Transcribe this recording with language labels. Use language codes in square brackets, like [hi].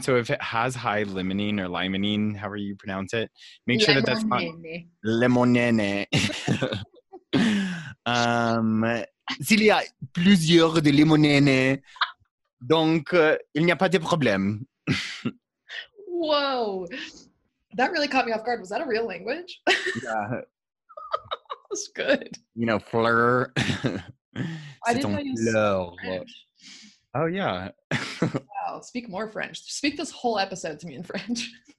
[en] So if it has high limonene or limonene, however you pronounce it, make sure that's not limonene. [fr] S'il y a plusieurs de limonene, donc il n'y a pas de problème. [en] Whoa, that really caught me off guard. Was that a real language? Yeah, was good. You know, fleur. I didn't know you speak French. Oh, yeah. Wow, speak more French. Speak this whole episode to me in French.